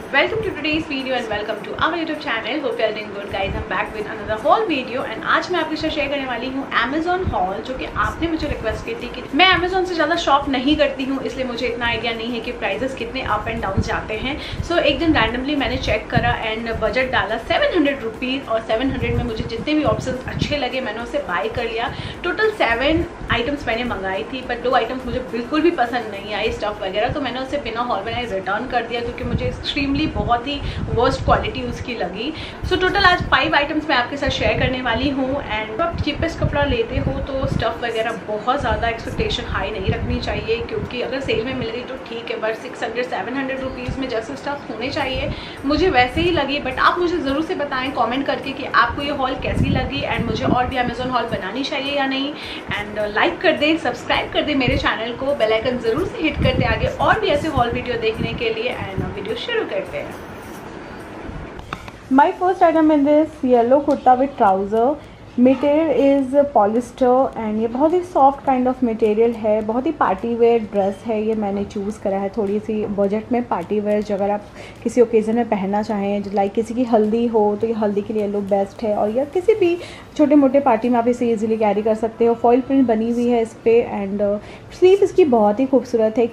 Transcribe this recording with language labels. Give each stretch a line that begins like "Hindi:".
English: Welcome to today's video and welcome to our YouTube channel. Hope you're doing good, guys. I'm back with another haul video and
Hindi: आज मैं आपके साथ share करने वाली हूँ Amazon haul जो कि आपने मुझे request की थी कि मैं Amazon से ज़्यादा shop नहीं करती हूँ इसलिए मुझे इतना idea नहीं है कि prices कितने up and down जाते हैं. So एक दिन randomly मैंने check करा and budget डाला 700 rupees और 700 में मुझे जितने भी options अच्छे लगे मैंने उसे buy कर लिया. Total 7 items मैंने मंगाई थी but 2 items मुझे बिल्कुल भी पसंद नहीं आई stuff वगैरह तो मैंने उसे बिना haul बनाए return कर दिया क्योंकि मुझे extremely बहुत ही वर्स्ट क्वालिटी उसकी लगी. सो टोटल आज 5 आइटम्स मैं आपके साथ शेयर करने वाली हूँ. एंड जब आप चीपेस्ट कपड़ा लेते हो तो स्टफ वगैरह बहुत ज़्यादा एक्सपेक्टेशन हाई नहीं रखनी चाहिए क्योंकि अगर सेल में मिल रही तो ठीक है बट 600-700 रुपीज़ में जैसे स्टफ होने चाहिए मुझे वैसे ही लगी. बट आप मुझे ज़रूर से बताएं कॉमेंट करके कि आपको ये हॉल कैसी लगी एंड मुझे और भी अमेजोन हॉल बनानी चाहिए या नहीं. एंड लाइक कर दें, सब्सक्राइब कर दें मेरे चैनल को, बेल आइकन ज़रूर से हिट कर दें आगे और भी ऐसे हॉल वीडियो देखने के लिए. एंड वीडियो शुरू करें.
English: My first item in this yellow kurta with trouser. Material is polyester and
Hindi: ये बहुत ही
English: soft kind of material है.
Hindi: बहुत ही party wear dress है. ये मैंने choose करा है थोड़ी सी budget में party wear जो अगर आप किसी occasion में पहनना चाहें जो like किसी की हल्दी हो तो ये हल्दी के लिए येलो बेस्ट है. और या किसी भी छोटे मोटे पार्टी में आप इसे ईजिली कैरी कर सकते हो. फॉइल प्रिंट बनी हुई है इस पर एंड स्लीव इसकी बहुत ही खूबसूरत है.